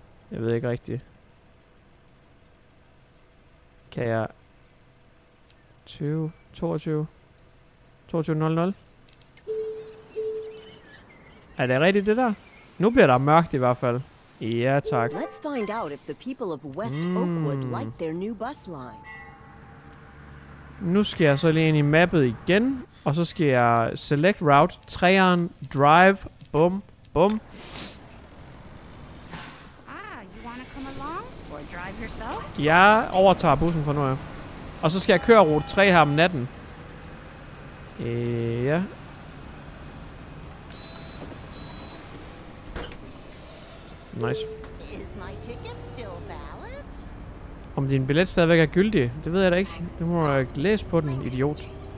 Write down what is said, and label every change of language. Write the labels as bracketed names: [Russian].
[Danish] Jeg ved ikke rigtigt. Kan jeg 22 22 00? Er det rigtigt det der? Nu bliver der mørkt i hvert fald. Ja, tak. [English] Let's find out if the people of West Oakwood like their new bus line. [Danish] Nu skal jeg så lige ind i mappet igen, og så skal jeg [English] select route, [Danish] træeren, drive, bum, bum. [English] Ah, you wanna come along or drive yourself? [Danish] Jeg overtager bussen for nu, ja. Og så skal jeg køre rute 3 her om natten. Ja. [English] Nice. Is my ticket still valid? [Danish] Om din billet stadigvæk er gyldig, det ved jeg da ikke. Du må jeg læse på den, idiot.